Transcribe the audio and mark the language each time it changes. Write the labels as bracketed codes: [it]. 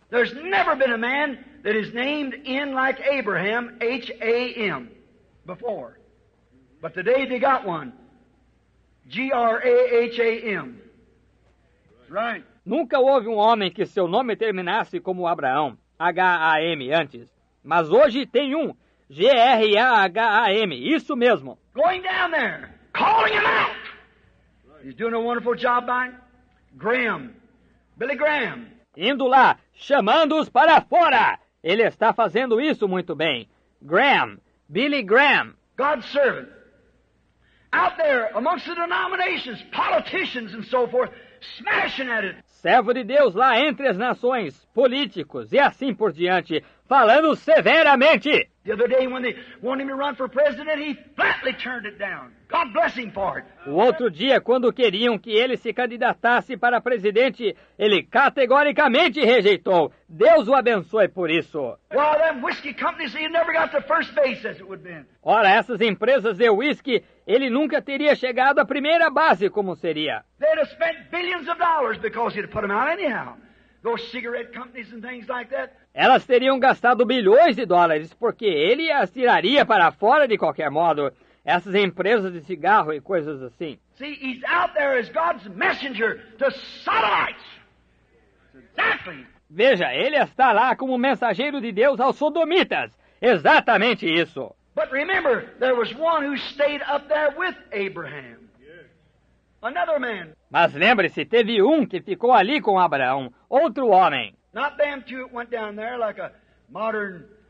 [en] There's never been a man that is named in like Abraham, H-A-M, before. But today they got one, G-R-A-H-A-M. Right. [pt] Nunca houve um homem que seu nome terminasse como Abraão, H-A-M, antes. Mas hoje tem um, G-R-A-H-A-M, isso mesmo. [en] Going down there, calling him out. He's doing a wonderful job by Graham, Billy Graham. [pt] Indo lá, chamando-os para fora. Ele está fazendo isso muito bem. Graham, Billy Graham. [en] God's servant. Out there, amongst the denominations, politicians and so forth, smashing at it. [pt] Servo de Deus lá entre as nações, políticos e assim por diante, falando severamente. [en] The other day when they wanted him to run for president, he flatly turned it down. God bless him for it. [pt] O outro dia, quando queriam que ele se candidatasse para presidente, ele categoricamente rejeitou. Deus o abençoe por isso. [en] Well, them whiskey companies, he never got to first base as it would have been. [pt] Ora, essas empresas de whisky, ele nunca teria chegado à primeira base como seria. [en] They'd have spent billions of dollars because he'd have put them out anyhow. Those cigarette companies and things like that. [pt] Elas teriam gastado bilhões de dólares, porque ele as tiraria para fora de qualquer modo, essas empresas de cigarro e coisas assim. [en] See, he's out there as God's messenger to Sodomites. Exactly. [pt] Veja, ele está lá como mensageiro de Deus aos sodomitas. Exatamente isso. [en] But remember, there was one who stayed up there with Abraham. Another man. [pt] Mas lembre-se, teve um que ficou ali com Abraão, outro homem. [en] Not them two went down there like a modern